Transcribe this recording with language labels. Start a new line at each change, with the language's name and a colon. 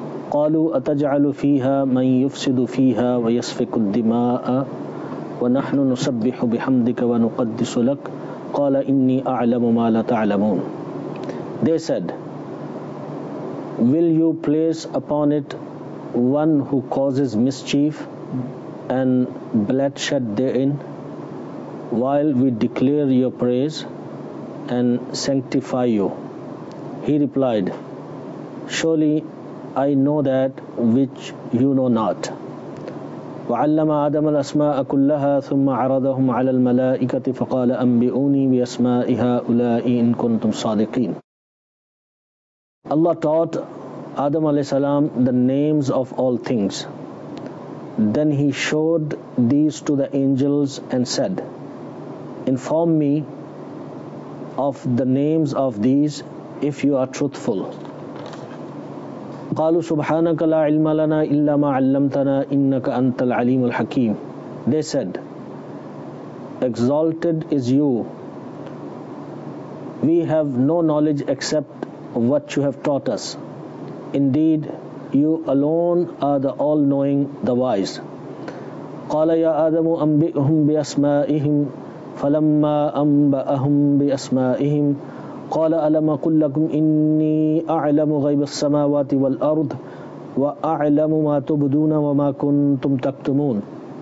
Arabic: قالوا اتجعل فيها من يفسد فيها ويسفك الدماء ونحن نسبح بحمدك ونقدس لك قال اني اعلم ما لا تعلمون.
English: They said, will you place upon it one who causes mischief and bloodshed therein while we declare your praise and sanctify you? He replied, surely I know that which you know not.
Arabic: وَعَلَّمَ آدَمَ الْأَسْمَاءَ كُلَّهَا ثُمَّ عَرَضَهُمْ عَلَى الْمَلَائِكَةِ فَقَالَ أَنْبِئُونِي بِأَسْمَائِهَا أُولَئِ إِن كُنْتُمْ صَادِقِينَ.
English: Allah taught Adam alayhi salam the names of all things. Then he showed these to the angels and said, inform me of the names of these if you are truthful.
Arabic: قالوا سبحانك لا علم لنا الا ما علمتنا انك انت العليم الحكيم.
English: They said, exalted is you, we have no knowledge except what you have taught us. Indeed, you alone are the all-knowing, the wise.
Arabic: قَالَ يَا آدَمُ أَنْبِئْهُمْ بِأَسْمَائِهِمْ فَلَمَّا أَنْبَأَهُمْ بِأَسْمَائِهِمْ قَالَ أَلَمْ أَقُلْ لَكُمْ إِنِّي أَعْلَمُ غَيْبَ السَّمَاوَاتِ وَالْأَرْضِ وَأَعْلَمُ مَا تُبْدُونَ وَمَا كُنْتُمْ تَكْتُمُونَ.